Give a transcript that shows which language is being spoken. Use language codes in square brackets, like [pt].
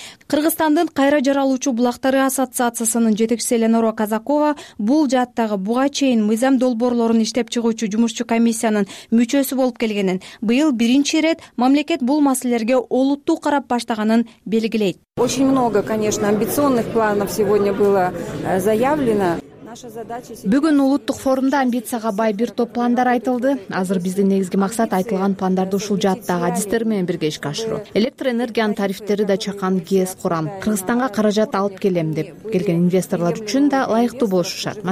[ky] Кыргызстандын кайра жаралуучу булактары ассоциациясынын жетекчиси Эленора Казакова бул жааттагы буга чейин мыйзам долбоорлорун иштеп чыгуучу жумушчу комиссиянын мүчөсү болуп келгенин, быйыл биринчи ирет мамлекет бул маселелерге олуттуу карап баштаганын белгилейт. [ru] Очень много, конечно, амбициозных планов сегодня было заявлено. [ky] Бүгүн улуттук форумда амбицияга бай бир топ пландар айтылды. Азыр биздин негизги максат айтылган пландарды ушул жааттагы адистер менен бирге ишке ашыруу. Электр энергиянын тарифтери да чакан ГЭС курам. Кыргызстанга каражат алып келем деп келген инвесторлор үчүн да ылайыктуу болушу шарт.